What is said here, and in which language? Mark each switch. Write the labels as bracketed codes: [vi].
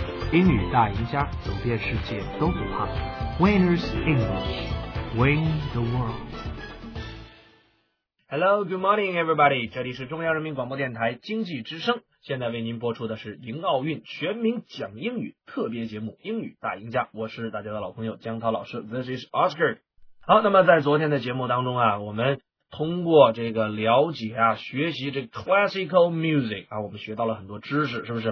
[zh] 英语大赢家，走遍世界都不怕。 [en] Winners English, win the world. Hello, good morning, everybody. [zh] 这里是中央人民广播电台经济之声，现在为您播出的是迎奥运全民讲英语特别节目《英语大赢家》，我是大家的老朋友江涛老师 ， [en] This is Oscar。 [zh] 好，那么在昨天的节目当中啊，我们通过这个了解啊，学习这 classical music 啊，我们学到了很多知识，是不是？